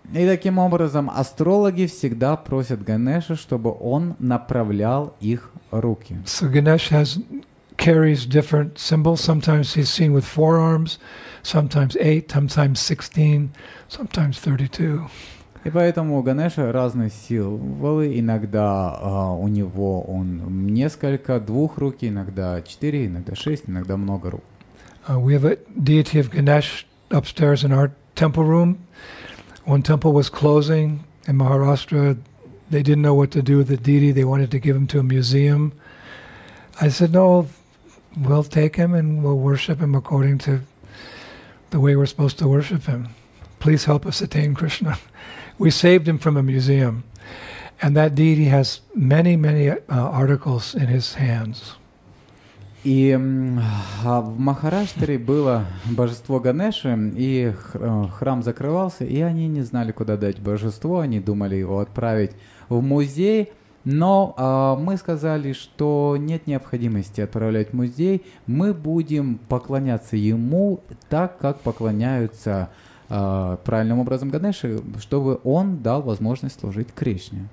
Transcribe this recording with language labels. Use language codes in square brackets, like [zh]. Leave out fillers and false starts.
[ru] И таким образом астрологи всегда просят Ганеша, чтобы он направлял их руки. [en] So Ganesh carries different symbols. Sometimes he's seen with four arms, sometimes eight, sometimes 16, sometimes 32. [ru] И поэтому у Ганеша разные символы. Иногда у него он несколько, двух руки, иногда четыре, иногда шесть, иногда много рук. [en] We have a deity of Ganesh upstairs in our temple room. When temple was closing in Maharashtra, they didn't know what to do with the deity. They wanted to give him to a museum. I said, no, we'll take him and we'll worship him according to the way we're supposed to worship him. Please help us attain Krishna. We saved him from a museum. And that deity has many, many articles in his hands. [ru] И в Махараштре было божество Ганеши, и храм закрывался, и они не знали, куда дать божество, они думали его отправить в музей, но мы сказали, что нет необходимости отправлять в музей, мы будем поклоняться ему так, как поклоняются правильным образом Ганеши, чтобы он дал возможность служить Кришне.